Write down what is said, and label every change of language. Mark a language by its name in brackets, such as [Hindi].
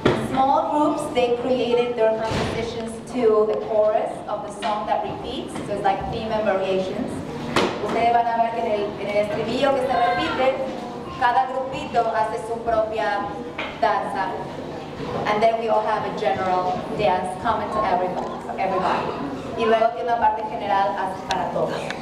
[English] Small groups, they created their compositions to the chorus of the song that repeats. So it's like theme and variations. [Spanish] Ustedes van a ver que en el estribillo que se repite, cada grupito hace su propia danza. [English] And then we all have a general dance common to everybody. [Spanish] Y luego tiene una parte general para todos.